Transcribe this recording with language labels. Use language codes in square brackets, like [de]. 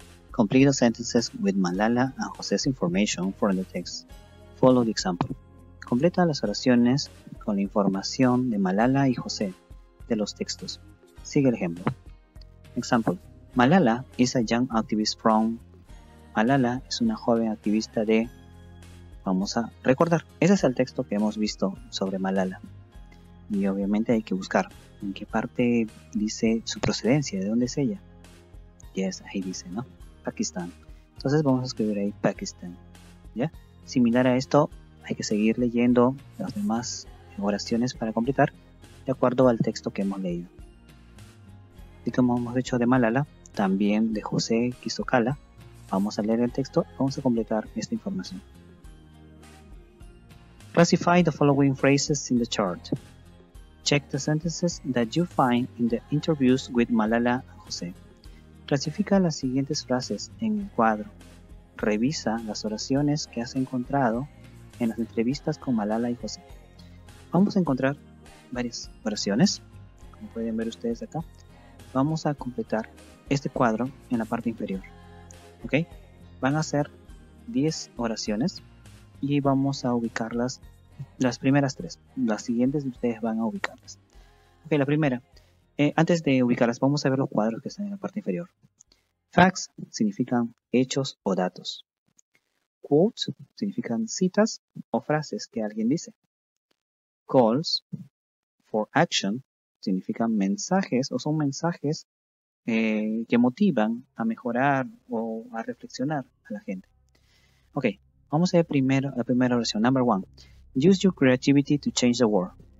[en] Complete the sentences with Malala and José's information from the text. Follow the example. [es] Completa las oraciones con la información de Malala y José de los textos. Sigue el ejemplo. [en] Example. Malala is a young activist from... [es] Malala es una joven activista de... Vamos a recordar, ese es el texto que hemos visto sobre Malala. Y obviamente hay que buscar en qué parte dice su procedencia, de dónde es ella. Yes, ahí dice, ¿no? Pakistán. Entonces vamos a escribir ahí Pakistán. ¿Ya? Similar a esto, hay que seguir leyendo las demás oraciones para completar de acuerdo al texto que hemos leído. Y como hemos hecho de Malala, también de José Kisokala, vamos a leer el texto, vamos a completar esta información. [en] Classify the following phrases in the chart. Check the sentences that you find in the interviews with Malala and José. [es] Clasifica las siguientes frases en el cuadro. Revisa las oraciones que has encontrado en las entrevistas con Malala y José. Vamos a encontrar varias oraciones, como pueden ver ustedes acá. Vamos a completar este cuadro en la parte inferior. ¿Ok? Van a ser 10 oraciones y vamos a ubicarlas, las primeras tres. Las siguientes ustedes van a ubicarlas. Ok, la primera. Antes de ubicarlas, vamos a ver los cuadros que están en la parte inferior. Facts significan hechos o datos. Quotes significan citas o frases que alguien dice. Calls for action significan mensajes o son mensajes que motivan a mejorar o a reflexionar a la gente. Ok, vamos a ver primero la primera oración. [en] Number one, use your creativity to change the world.